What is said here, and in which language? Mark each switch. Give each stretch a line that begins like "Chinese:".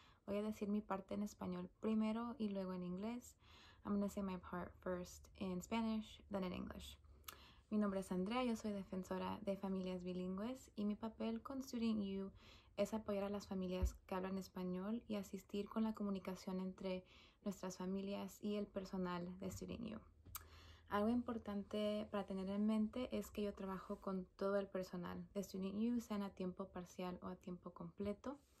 Spanish: Voy a decir mi parte en español primero y luego en inglés.
English: I'm going to say my part first in Spanish, then in English.
Spanish: Mi nombre es Andrea, yo soy defensora de familias bilingües y mi papel con Student U es apoyar a las familias que hablan español y asistir con la comunicación entre nuestras familias y el personal de Student U. Algo importante para tener en mente es que yo trabajo con todo el personal de Student U, sean a tiempo parcial o a tiempo completo.